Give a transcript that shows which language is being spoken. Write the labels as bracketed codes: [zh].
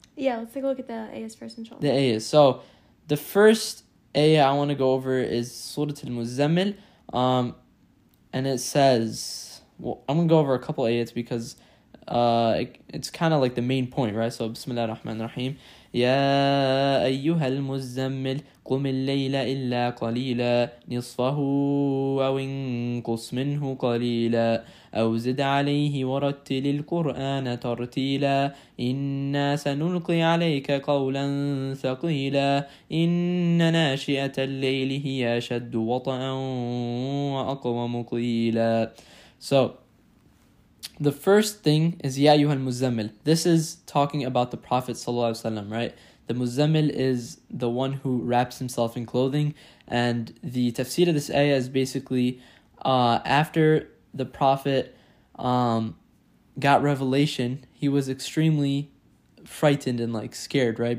[en] Yeah, let's take a look at the ayahs first, inshallah. The ayahs. So the first ayah I want to go over is Surah Al-Muzzammil. And it says, well, I'm going to go over a couple ayahs because it's kind of like the main point, right? So Bismillah ar-Rahman ar-Rahim. [ar] يا أيها المزمل قم الليل إلا قليلا نصفه أو انقص منه قليلا أو زد عليه ورتل القرآن ترتيلا إنا سنلقي عليك قولا ثقيلا إن ناشئة الليل هي أشد وطئا وأقوم قيلا. [en] So the first thing is Ya Ayyuha al-Muzzammil. This is talking about the Prophet Sallallahu Alaihi Wasallam, right? The Muzzammil is the one who wraps himself in clothing. And the tafsir of this ayah is basically after the Prophet got revelation, he was extremely frightened and like scared, right?